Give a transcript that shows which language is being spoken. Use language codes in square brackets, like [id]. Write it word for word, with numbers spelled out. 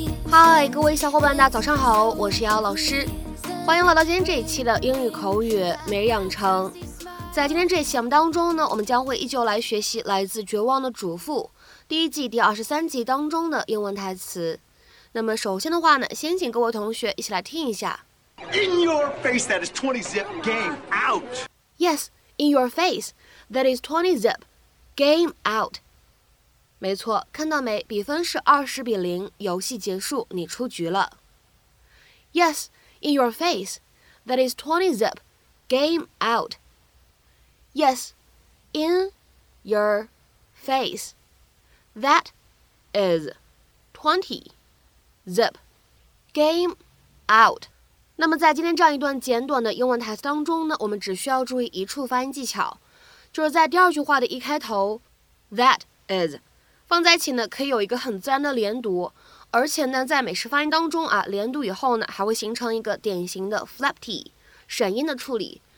[zh] 嗨，各位小伙伴，大家早上好，我是姚老师，欢迎来到今天这一期的英语口语每日养成。在今天这一期节目当中呢，我们将会依旧来学习《来自绝望的主妇》第一季第二十三集当中的英文台词。那么首先的话呢，先请各位同学一起来听一下。 [en] In your face, that is twenty zip game out. Yes, in your face, that is twenty zip game out. [zh] 没错，看到没？比分是二十比零，游戏结束，你出局了。 [en] Yes, in your face, that is twenty zip, game out. Yes, in your face, that is twenty zip, game out. [zh] 那么在今天这样一段简短的英文台词当中呢，我们只需要注意一处发音技巧，就是在第二句话的一开头 ， [en] that is。 [zh] 放在一起呢，可以有一个很自然的连读，而且呢，在美式发音当中啊，连读以后呢，还会形成一个典型的 flap t 闪音的处理。